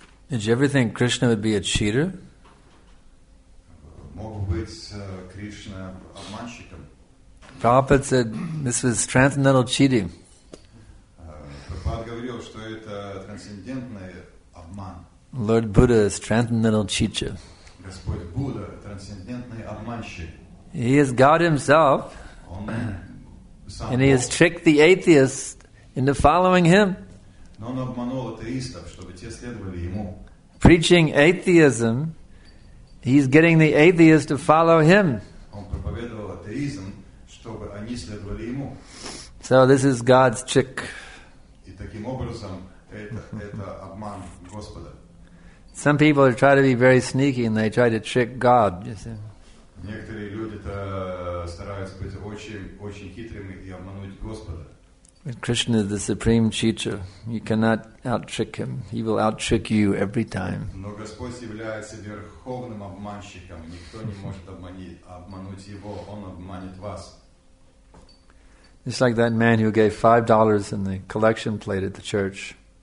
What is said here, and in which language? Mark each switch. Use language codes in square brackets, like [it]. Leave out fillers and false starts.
[en] Did you ever think Krishna would be a cheater? [ru] Мог быть Кришна обманщиком. [en] Prabhupada said this was transcendental cheating. [ru] Prabhupada говорил, что это трансцендентное. [en] Lord Buddha is transcendental cheater. [ru] Господь Будда трансцендентный обманщик. [en] He is God himself. [ru] Он сам [en] and he has tricked the atheists into following him. [ru] Но он обманул атеистов, чтобы те следовали ему. [en] Preaching atheism, he's getting the atheists to follow him. [ru] Он проповедовал атеизм, чтобы они следовали ему. [en] So this is God's trick. [ru] И таким образом это обман Господа. [en] Some people try to be very sneaky and they try to trick God, you see. [ru] Некоторые люди стараются быть очень хитрыми и обмануть Господа. [en] But Krishna is the supreme cheater. You cannot out-trick him. He will out-trick you every time. [ru] Но Господь является верховным обманщиком. Никто не может обмануть его. Он обманет вас. [en] It's like that man who gave $5 in the collection plate at the church.